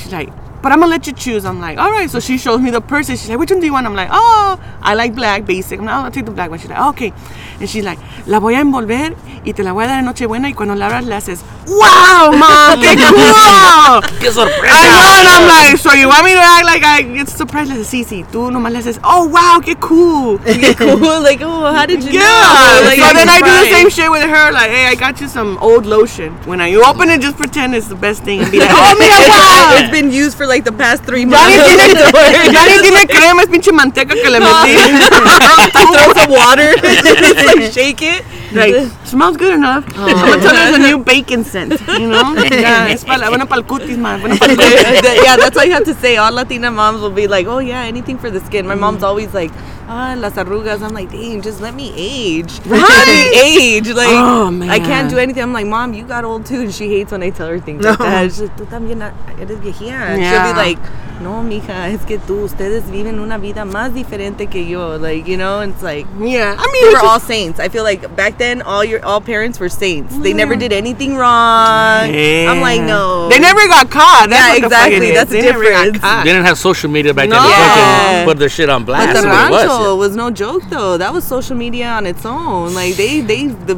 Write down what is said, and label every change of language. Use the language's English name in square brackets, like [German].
[English] She's like, "But I'm gonna let you choose." I'm like, "All right." So she shows me the purse. She's like, "Which one do you want?" I'm like, "Oh, I like black, basic." I'm like, "Oh, I'll take the black one." She's like, "Oh, okay." And she's like, [Spanish] "La voy a envolver y te la voy a dar en Nochebuena, y cuando la abras le haces, [English] wow, mom, [Spanish] qué cool." Qué sorpresa. [English] I know, and I'm like, "So you want me to act like I get surprised?" Like, [Spanish] sí, tú nomás le haces, [English] "Oh, wow, [Spanish] qué cool." Qué cool. [English] Like, "Oh, how did you know?" Yeah. Like, so then I do the same shit with her. Like, "Hey, I got you some old lotion. When you open it, just pretend it's the best thing." And be like, "Oh, [Spanish] mira, [English] wow. It's been used for like the past 3 months. [Spanish] Ya ni tiene crema, es pinche manteca que le metí." [English] Throw some water. Like, shake it. Like, smells good enough. Oh. I'm gonna tell you, it's a new bacon scent. You know? Yeah, that's all you have to say. All Latina moms will be like, "Oh, yeah, anything for the skin." My mom's always like, [Spanish] "Ah, las arrugas." [English] I'm like, "Dang, just let me age." Right? Age. Like, oh, man. I can't do anything. I'm like, "Mom, you got old too." And she hates when I tell her things like that. She's like, [Spanish] "Tú también eres viejita." [English] Yeah. She'll be like, [Spanish] "No, mija, es que tú, ustedes viven una vida más diferente que yo." [English] Like, you know, it's like, yeah. I mean, we're all saints. I feel like back then, all parents were saints. Yeah. They never did anything wrong. Yeah. I'm like, no. They never got caught. That's yeah, exactly. That's the difference. They didn't have social media back no. then. Yeah. They put their shit on blast. But the rancho was no joke, though. That was social media on its own. Like, they